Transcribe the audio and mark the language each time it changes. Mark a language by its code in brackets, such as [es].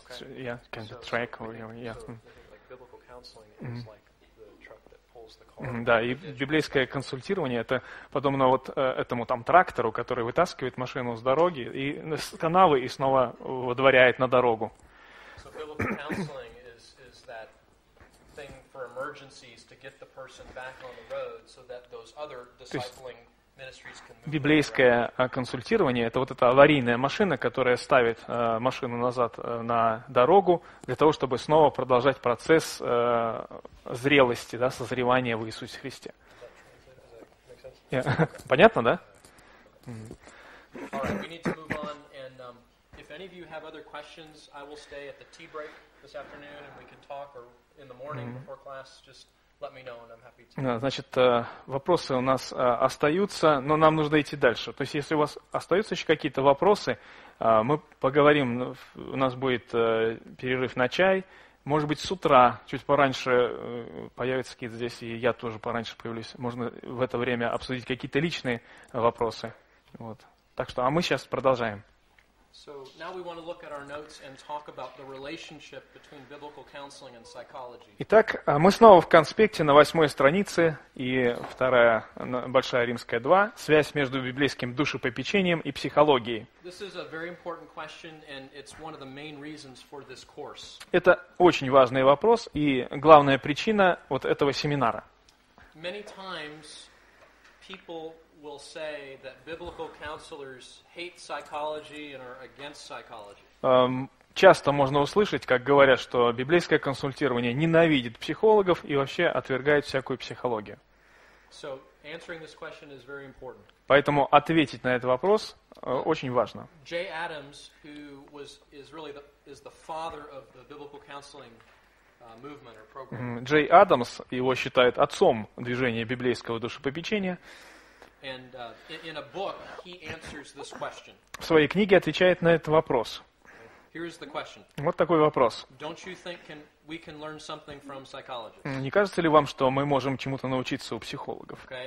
[en] Like biblical counseling is like the truck that pulls the car. [ru] Да, и библейское консультирование — это подобно вот этому там трактору, который вытаскивает машину с дороги и с канавы и снова водворяет на дорогу. [en] So biblical counseling is that thing for emergencies to get the person back on the road so that those other discipling ministries can move. [ru] Библейское консультирование — это вот эта аварийная машина, которая ставит машину назад на дорогу для того, чтобы снова продолжать процесс зрелости, да, созревания в Иисусе Христе. Понятно, да? [en] All right, we need to move on, and if any of you have other questions, I will stay at the tea break this afternoon and we can talk, or in the morning before class, just let me know and I'm happy to. [ru] Значит, вопросы у нас остаются, но нам нужно идти дальше. То есть, если у вас остаются еще какие-то вопросы, мы поговорим, у нас будет перерыв на чай. Может быть, с утра чуть пораньше появится кит здесь, и я тоже пораньше появлюсь. Можно в это время обсудить какие-то личные вопросы. Вот. Так что, а мы сейчас продолжаем. [en] So now we want to look at our notes and talk about the relationship between biblical counseling and psychology. [ru] Итак, мы снова в конспекте на восьмой странице, и вторая большая римская 2, связь между библейским душепопечением и психологией. [en] This is a very important question and it's one of the main reasons for this course. [ru] Это очень важный вопрос и главная причина вот этого семинара. [en] Many times people will say that biblical counselors hate psychology and are against psychology. [ru] Часто можно услышать, как говорят, что библейское консультирование ненавидит психологов и вообще отвергает всякую психологию. [en] So answering this question is very important. [ru] Поэтому ответить на этот вопрос очень важно. [en] Jay Adams, who is really the father of the biblical counseling movement or program. [ru] Джей Адамс, его считают отцом движения библейского душепопечения. [en] And in a book he answers this question. [ru] В своей книге отвечает на этот вопрос. Вот такой вопрос. Не кажется ли вам, что мы можем чему-то научиться у психологов?